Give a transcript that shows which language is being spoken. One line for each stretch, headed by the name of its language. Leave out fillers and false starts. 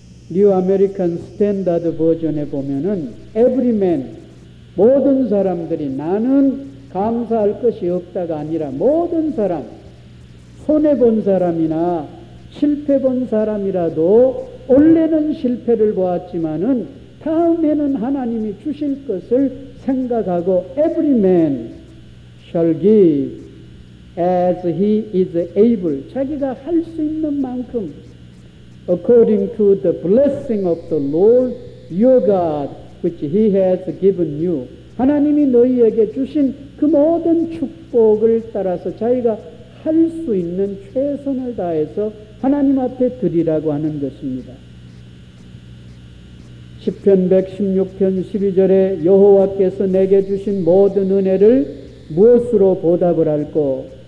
Korean: 뉴 아메리칸 스탠다드 버전에 보면은
English: every man,
Korean: 모든 사람들이, 나는 감사할 것이 없다가 아니라 모든 사람, 손해본 사람이나 실패 본 사람이라도 원래는 실패를 보았지만은 다음에는 하나님이 주실 것을 생각하고
English: every man shall give as he is able,
Korean: 자기가 할 수 있는 만큼
English: according to the blessing of the Lord your God, which he has given you.
Korean: 하나님이 너희에게 주신 그 모든 축복을 따라서 자기가 할 수 있는 최선을 다해서 하나님 앞에 드리라고 하는 것입니다. 시편 116편 12절에 여호와께서 내게 주신 모든 은혜를 무엇으로 보답을 할꼬?